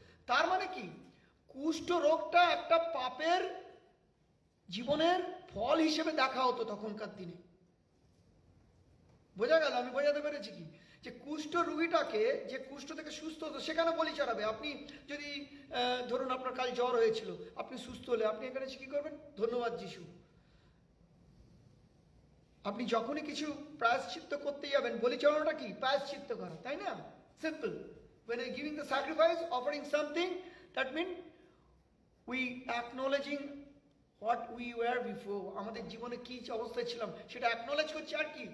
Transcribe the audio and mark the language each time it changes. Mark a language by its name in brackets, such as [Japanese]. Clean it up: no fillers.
[Bangla] তার মানে কি, কুষ্ঠ রোগটা একটা পাপের জীবনের ফল হিসেবে দেখা হতো তখনকার দিনে, বোঝা গেল, আমি বোঝাতে পেরেছি কি, যে কুষ্ঠ রুগীটাকে যে কুষ্ঠ থেকে সুস্থ হতো সেখানে বলি চড়াবে। আপনি যদি ধরুন আপনার কাল জ্বর হয়েছিল, আপনি সুস্থ হলে আপনি এখানে কি করবেন, ধন্যবাদ যিশু। আপনি যখনই কিছু প্রায়শ্চিত্ত করতে যাবেন, বলি চড়ানোটা কি, প্রায়শ্চিত্ত করা, তাই না, simple, [English] When I'm giving the sacrifice, offering something, that means we acknowledging what we were before. [Bangla] আমাদের জীবনে কি অবস্থায় ছিলাম সেটা acknowledge করছি আর কি.